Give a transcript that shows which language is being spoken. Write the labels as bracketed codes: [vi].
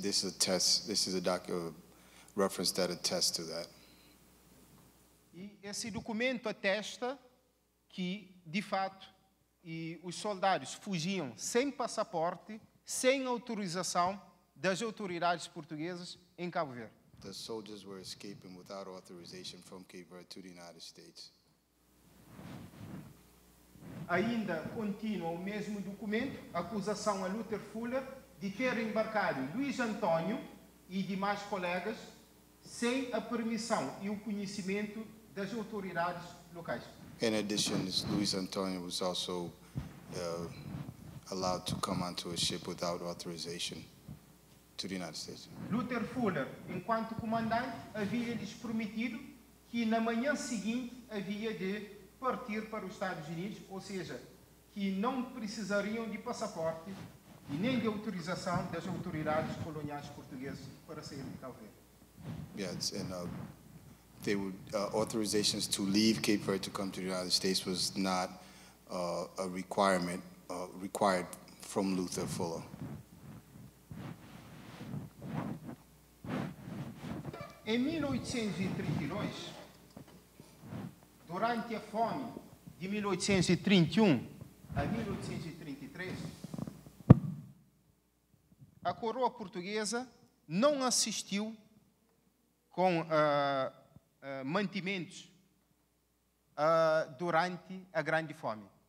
[en] This is a test, this is a reference that attests to that. [pt] E esse documento atesta que, de fato, e os soldados fugiam sem passaporte, sem autorização das autoridades portuguesas em Cabo Verde. [en] The soldiers were escaping without authorization from Cape Verde to the United States. [pt] Ainda continua o mesmo documento, acusação a Luther Fuller de ter embarcado Luiz António e demais colegas sem a permissão e o conhecimento das autoridades locais. [en] In addition, Luiz António was also allowed to come onto a ship without authorization to the United States. [pt] Luther Fuller, enquanto comandante, havia lhes prometido que na manhã seguinte havia de partir para os Estados Unidos, ou seja, que não precisariam de passaporte e nem de autorização das autoridades coloniais portuguesas para sair de Cabo Verde. [en] Yes, and they would authorizations to leave Cape Verde to come to the United States was not a requirement required from Luther Fuller. [pt] Em 1832, durante a fome de 1831 a 1833, a coroa portuguesa não assistiu com mantimentos durante a grande fome.